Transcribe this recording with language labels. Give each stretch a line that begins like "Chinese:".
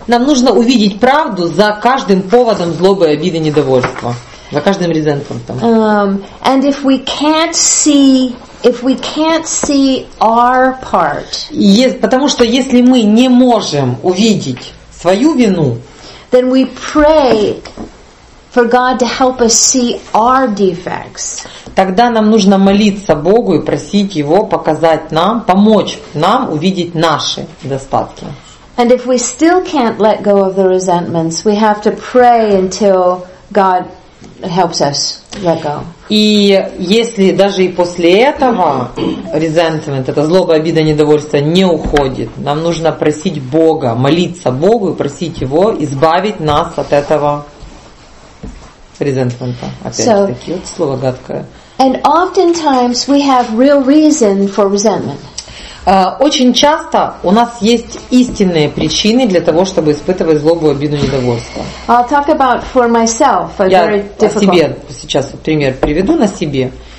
Russian: Нам нужно увидеть правду за каждым поводом злобы, обиды, недовольства. За каждым резентментом.
English: And if we can't see... If we can't see our part,
Russian: потому что если мы не можем увидеть свою вину,
English: then we pray for God to help us see our defects.
Russian: Тогда нам нужно молиться Богу и просить Его показать нам, помочь нам увидеть наши недостатки.
English: And if we still can't let go of the resentments, we have to pray until God helps us let go.
Russian: И если даже и после этого resentment, это злоба, обида, недовольство не уходит, нам нужно просить Бога, молиться Богу и просить Его избавить нас от этого resentment. Опять-таки, вот слово гадкое.
English: And oftentimes we have real reason for resentment.
Russian: Очень часто у нас есть истинные причины для того, чтобы испытывать злобу, обиду, недовольство.
English: I'll talk about for myself, a
Russian: Я
English: very difficult...
Russian: о себе сейчас пример приведу на себе.